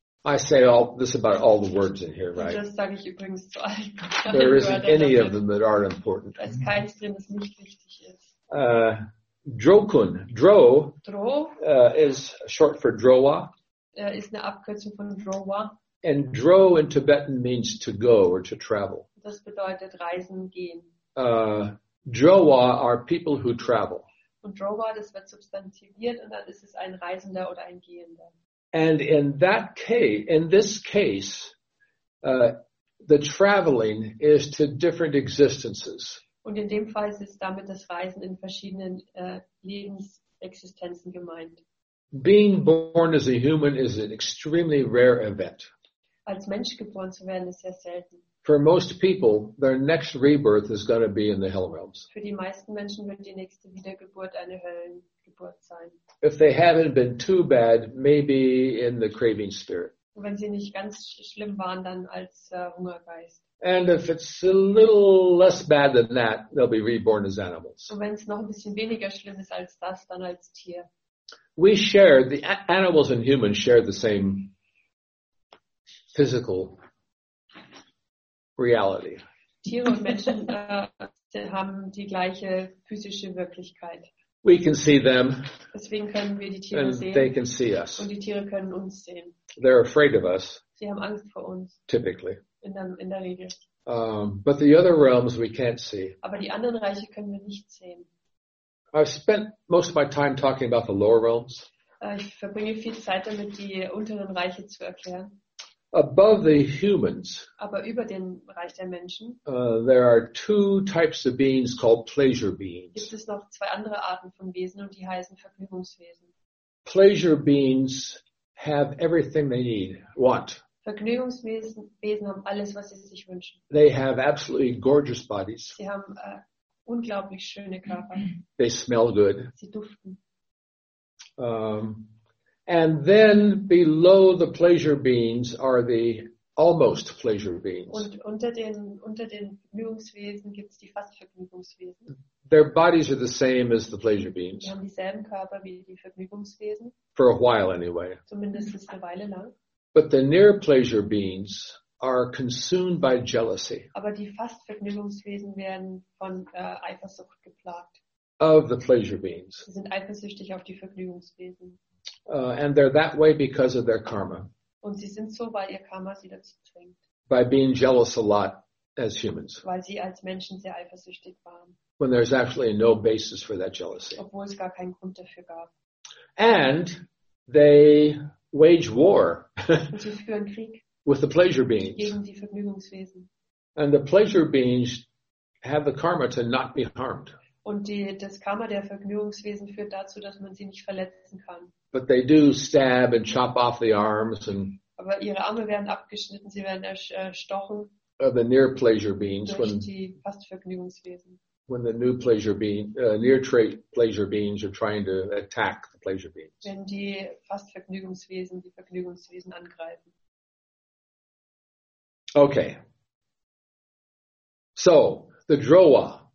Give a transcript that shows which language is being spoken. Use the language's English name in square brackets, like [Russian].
[English] I say all this about all the words in here, right? [German] Das sage ich übrigens zu allen. [English] There isn't any of them that are important. [German] Da ist keins drin, das nicht wichtig ist. [English] Drokun. Dro is short for Drowa. [German] Ist eine Abkürzung von Drowa. [English] And Dro in Tibetan means to go or to travel. [German] Das bedeutet reisen, gehen. [English] Drowa are people who travel. [German] Und Drowa, das wird substantiviert und dann ist es ein Reisender oder ein Gehender. [English] And in that case, in this case, the traveling is to different existences. [German] Und in dem Fall ist damit das Reisen in verschiedenen Lebensexistenzen gemeint. [English] Being born as a human is an extremely rare event. [German] Als Mensch geboren zu werden ist sehr selten. [English] For most people, their next rebirth is going to be in the hell realms. [German] Für die meisten Menschen wird die nächste Wiedergeburt eine Höllengeburt sein. [English] If they haven't been too bad, maybe in the craving spirit. [German] Und wenn sie nicht ganz schlimm waren, dann als Hungergeist. [English] And if it's a little less bad than that, they'll be reborn as animals. [German] Und wenn es noch ein bisschen weniger schlimm ist als das, dann als Tier. [English] We share, the animals and humans share the same physical reality. [German] Tiere und Menschen haben die gleiche physische Wirklichkeit. [English] We can see them. [German] Deswegen können wir die Tiere [English] and [German] sehen. [English] They can see us. [German] Und die Tiere können uns sehen. [English] They're afraid of us. [German] Sie haben Angst vor uns. [English] Typically. [German] In der Regel. [English] But the other realms we can't see. [German] Aber die anderen Reiche können wir nicht sehen. [English] I've spent most of my time talking about the lower realms. [German] Ich verbringe viel Zeit damit, die unteren Reiche zu erklären. [English] Above the humans. [German] Aber über den Reich der Menschen. [English] There are two types of beings called pleasure beings. [German] Gibt es noch zwei andere Arten von Wesen und die heißen Vergnügungswesen. [English] Pleasure beings have everything they need. What? [German] Vergnügungswesen haben alles, was sie sich wünschen. [English] They have absolutely gorgeous bodies. [German] Sie haben unglaublich schöne Körper. [English] They smell good. [German] Sie duften. [English] And then below the pleasure beings are the almost pleasure beings. [German] Und unter den Vergnügungswesen gibt's die fast Vergnügungswesen. [English] Their bodies are the same as the pleasure beings. [German] Sie haben dieselben Körper wie die Vergnügungswesen. [English] For a while anyway. [German] Zumindest eine Weile lang. [English] But the near pleasure beings are consumed by jealousy. [German] Aber die fast Vergnügungswesen werden von Eifersucht geplagt. [English] Of the pleasure beings. [German] Sie sind eifersüchtig auf die Vergnügungswesen. [English] And they're that way because of their karma. [German] Und sie sind so, weil ihr Karma sie dazu zwingt. [English] By being jealous a lot as humans. [German] Weil sie als Menschen sehr eifersüchtig waren. [English] When there's actually no basis for that jealousy. [German] Obwohl es gar keinen Grund dafür gab. [English] And they wage war. [German] Und sie führen Krieg. [English] With the pleasure beings. [German] Gegen die Vergnügungswesen. [English] And the pleasure beings have the karma to not be harmed. [German] Und das Karma der Vergnügungswesen führt dazu, dass man sie nicht verletzen kann. [English] But they do stab and chop off the arms and. [German] Aber ihre Arme werden abgeschnitten, sie werden erstochen. [English] Of the near pleasure beings when. [German] Durch die fast Vergnügungswesen. [English] When the new pleasure being near trait pleasure beings are trying to attack the pleasure beings. [German] Wenn die fast Vergnügungswesen die Vergnügungswesen angreifen. [English] Okay. So the Drowa.